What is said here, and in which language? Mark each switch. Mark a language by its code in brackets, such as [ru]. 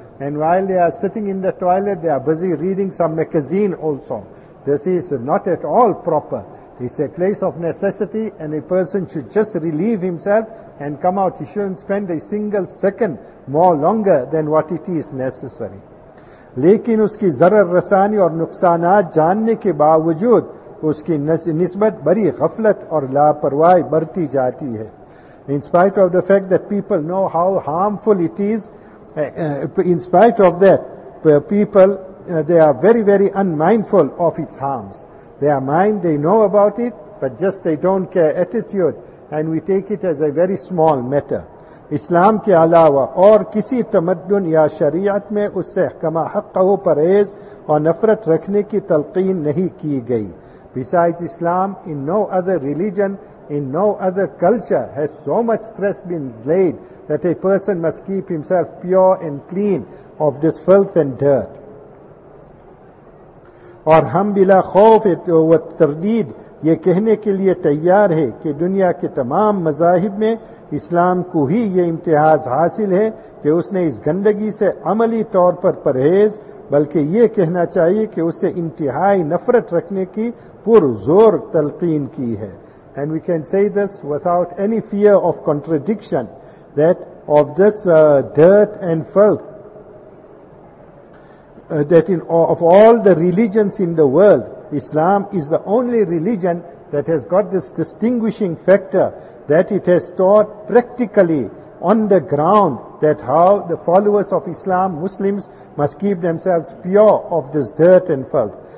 [en] And while they are sitting in the toilet, they are busy reading some magazine also. This is not at all proper. It's a place of necessity, and a person should just relieve himself and come out. He shouldn't spend a single second more longer than what it is necessary. [ur] لیکن اس کی ضرر رسانی اور نقصانات جاننے کے باوجود اس کی نسبت بری غفلت اور لاپرواہی بڑھتی جاتی ہے. [en] In spite of the fact that people know how harmful it is, in spite of that, people, they are very, very unmindful of its harms. Their mind, they know about it, but just they don't care attitude, and we take it as a very small matter. [ur] اسلام کے علاوہ اور کسی تمدن یا شریعت میں اس سے کما حق و پرہیز اور نفرت رکھنے کی تلقین نہیں کی گئی. [en] Besides Islam, in no other religion, in no other culture has so much stress been laid that a person must keep himself pure and clean of this filth and dirt. [ur] اور ہم بلا خوف و تردید یہ کہنے کے لیے تیار ہے کہ دنیا کے تمام مذاہب میں اسلام کو ہی یہ امتیاز حاصل ہے کہ اس نے اس گندگی سے عملی طور پر پرہیز, بلکہ یہ کہنا چاہیے کہ اسے انتہائی نفرت رکھنے کی پر زور تلقین کی ہے. [en] And we can say this without any fear of contradiction, that of this dirt and filth, that in of all the religions in the world, Islam is the only religion that has got this distinguishing factor, that it has taught practically on the ground that how the followers of Islam, Muslims, must keep themselves pure of this dirt and filth.